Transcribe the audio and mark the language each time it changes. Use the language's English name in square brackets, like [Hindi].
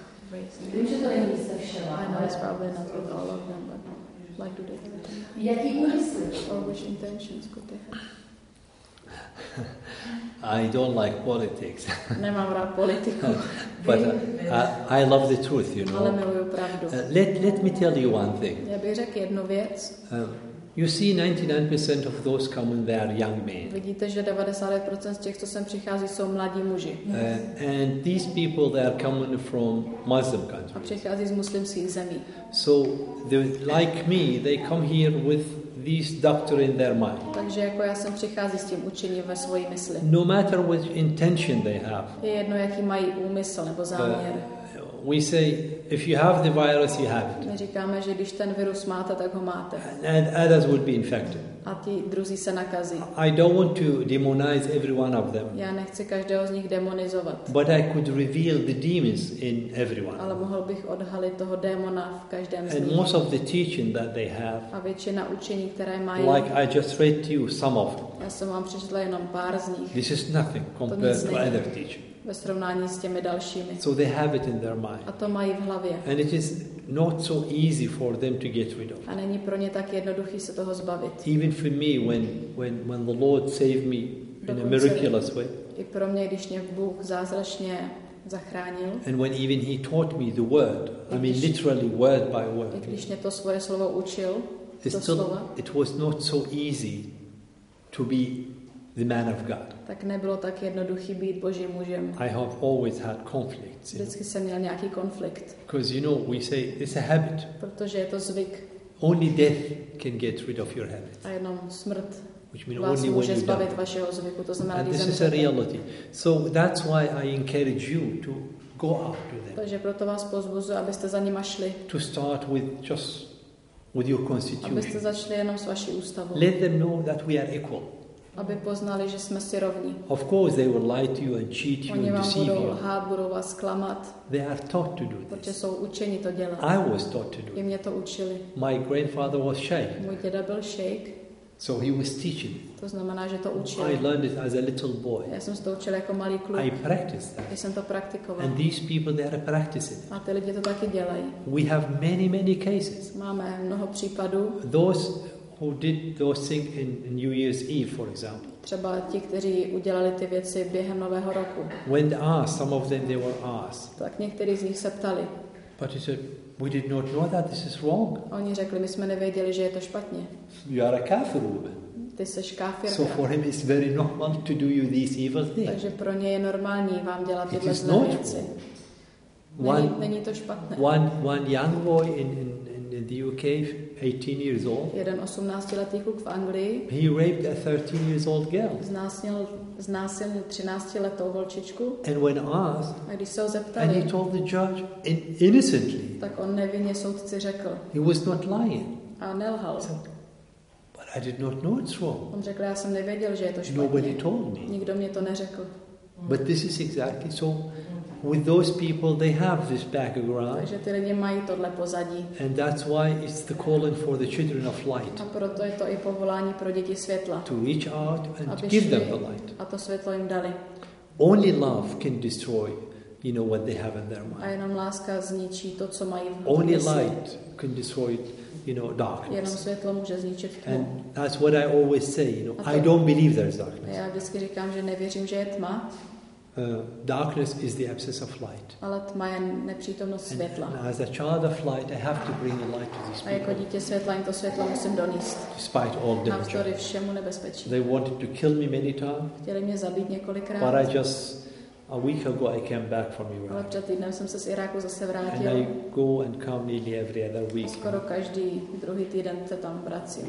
[English] I know it's probably not with all of them, but like do they have or which intentions could they have? I don't like politics. [Czech] Nemám rád politiku. [English] But I love the truth, you know. [Czech] Ale miluju pravdu. [English] Let me tell you one thing. [Czech] Já bych řekl jednu věc. [English] You see, 99% of those coming there are young men. [Czech] Vidíte, že 99% z těch, co sem přichází, jsou mladí muži. [English] And these people, they are coming from Muslim countries. [Czech] A přichází z muslimských zemí. [English] So, like me, they come here with these doctrine in their mind. [Czech] Takže jako já sem přichází s tím učením ve svojí mysli. [English] No matter which intention they have. [Czech] Je jedno, jaký mají úmysl nebo záměr. [English] We say if you have the virus you have it. [Czech] My říkáme, že když ten virus máte, tak ho máte. [English] And others would be infected. [Czech] A ti druzí se nakazí. [English] I don't want to demonize every one of them. [Czech] Já nechci každého z nich demonizovat. [English] But I could reveal the demons in everyone. [Czech] Ale mohl bych odhalit toho démona v každém z nich. [English] And most of the teaching that they have. [Czech] A většina učení, které mají. [English] Like I just read to you some of them. [Czech] Já jsem vám přečetla jenom pár z nich. [English] This is nothing compared to other teaching. [Czech] Ve srovnání s těmi dalšími. [English] So they have it in their mind. [Czech] A to mají v hlavě. [English] And it is not so easy for them to get rid of. [Czech] A není pro ně tak jednoduchý se toho zbavit. [English] Even for me when the Lord saved me in a miraculous way. [Czech] I pro mě, když mě Bůh zázračně zachránil. [English] And when even he taught me the word. I mean literally word by word. [Czech] I když mě to svoje slovo učil, to [English] still, [Czech] slovo. [English] It was not so easy to be the man of God. [Czech] Tak nebylo tak jednoduchý být Božím mužem. [English] I have always had conflicts. [Czech] Vždycky jsem měl nějaký konflikt. [English] Because you know we say it's a habit. [Czech] Protože je to zvyk. [English] Only death can get rid of your habits. [Czech] A jenom smrt. [English] Which means only when you die. [Czech] Vás může zbavit vašeho zvyku. To znamená, [English] and this is a reality. So that's why I encourage you to go after them. [Czech] Takže proto vás pozbuzuji, abyste za nima šli. [English] To start with just with your constitution. [Czech] Abyste začali jenom s vaší ústavou. [English] Let them know that we are equal. [Czech] Aby poznali, že jsme si rovní. [English] Of course they will lie to you and cheat you and deceive you. [Czech] Oni vám budou lhát, budou vás klamat. [English] They are taught to do this. [Czech] Protože jsou učeni to dělat. [English] I was taught to do it. [Czech] I mě to učili. [English] My grandfather was sheikh. [Czech] Můj děda byl šejk. [English] So he was teaching. [Czech] To znamená, že to učil. [English] I learned it as a little boy. [Czech] Já jsem to učil jako malý kluk. [English] I practiced that. [Czech] Já jsem to praktikoval. [English] And these people, they are practicing. [Czech] A ty lidi to taky dělají. [English] We have many, many cases. [Czech] Máme mnoho případů. [English] Those who did those things in New Year's Eve, for example. [Czech] Třeba ti, kteří udělali ty věci během Nového roku. [English] When asked, some of them they were asked. [Czech] Tak někteří z nich se ptali. [English] But he said, we did not know that this is wrong. [Czech] Oni řekli, my jsme nevěděli, že je to špatně. [English] You are a kafir woman. [Czech] Ty seš kafirka. [English] So for him it's very normal to do you these evil things. [Czech] Takže pro ně je normální vám dělat tyhle věci. [English] Not. [Czech] Není to špatné. [English] One young boy in the UK, 18 years old. [Czech] Jeden 18letý kluk v Anglii. [English] He raped a 13 years old girl. [Czech] Znásilnil 13letou holčičku. [English] And when asked, [Czech] a když se ho zeptali, [English] and he told the judge innocently. [Czech] Tak on nevinně soudci řekl. [English] He was not lying. [Czech] A nelhal. [English] So, but I did not know it's wrong. [Czech] On řekl, já jsem nevěděl, že je to špatně. [English] Nobody told me. [Czech] Nikdo mě to neřekl. [English] But this is exactly so. With those people, they have this background. [Czech] Takže ty lidi mají tohle pozadí. [English] And that's why it's the calling for the children of light. [Czech] A proto je to i povolání pro děti světla. [English] To reach out and give them the light. [Czech] A to světlo jim dali. [English] Only love can destroy, you know, what they have in their mind. [Czech] A jenom láska zničí to, co mají v mysli. [English] Only light can destroy, you know, darkness. [Czech] Jenom světlo může zničit tmu. [English] And that's what I always say. You know, I don't believe there's darkness. [Czech] Já vždycky říkám, že nevěřím, že je tma. [English] Darkness is the absence of light. [Czech] Ale tma je nepřítomnost světla. [English] And as a child of light, I have to bring the light to these people. [Czech] A jako dítě světla, jim to světlo musím donést. [English] Despite all danger. [Czech] Navzdory všemu nebezpečí. [English] They wanted to kill me many times. [Czech] Chtěli mě zabít několikrát. [English] But I just a week ago I came back from Iraq. [Czech] Ale před týdnem jsem se z Iráku zase vrátil. [English] And I go and come nearly every other week. [Czech] A skoro každý druhý týden se tam vracím.